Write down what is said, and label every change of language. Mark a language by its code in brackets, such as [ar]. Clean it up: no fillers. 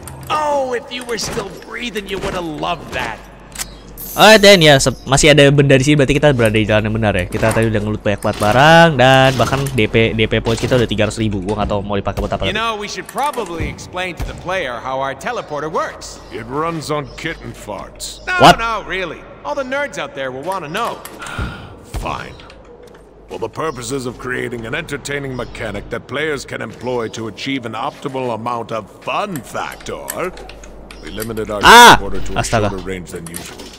[en] Oh, if you were still breathing, you would have loved that. [id] Alright, then ya, masih ada benda di sini berarti kita berada di jalan yang benar ya. Kita tadi udah ngelut banyak banget barang dan bahkan DP points kita udah 300.000. Gua enggak tahu mau dipakai buat apa. [en] You know, we should probably explain to the player how our teleporter works. It runs on kitten farts. No, what? No, really. All the nerds out there will want to know. Fine. For the purposes of creating an entertaining mechanic that players can employ to achieve an optimal amount of fun factor, we limited our order to a shorter range than usual.